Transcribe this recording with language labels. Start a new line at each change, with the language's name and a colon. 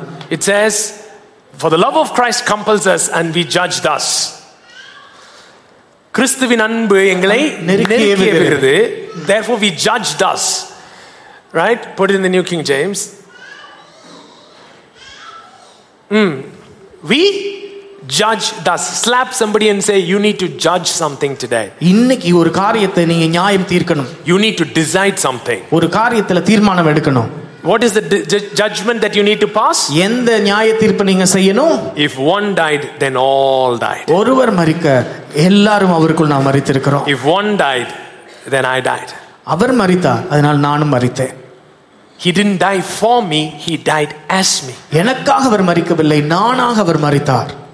English: It says, for the love of Christ compels us and we judge thus.
Tamil: கிறிஸ்துவின் அன்பு எங்களை நெருக்குகிறது.
English: Therefore we judge thus. Right? Put it in the New King James. We judge thus. Slap somebody and say, you need to judge something today.
Tamil: இன்னைக்கு ஒரு காரியத்தை நீங்க நியாயம் தீர்க்கணும்.
English: You need to decide something.
Tamil: ஒரு காரியத்துல தீர்மானம் எடுக்கணும்.
English: What is the judgment that you need to pass?
Tamil: எந்த நியாய தீர்ப்பு நீங்க செய்யணும்?
English: If one died, then all died.
Tamil: ஒருவர் மரிக்க எல்லாரும் அவருக்குள் நாம் மரித்திருக்கிறோம்.
English: If one died, then I died.
Tamil: அவர் மரித்தார், அதனால் நானும் மரித்தேன்.
English: He didn't die for me, he died as me.
Tamil: எனக்காக அவர் மரிக்கவில்லை, நானாக அவர் மரித்தார்.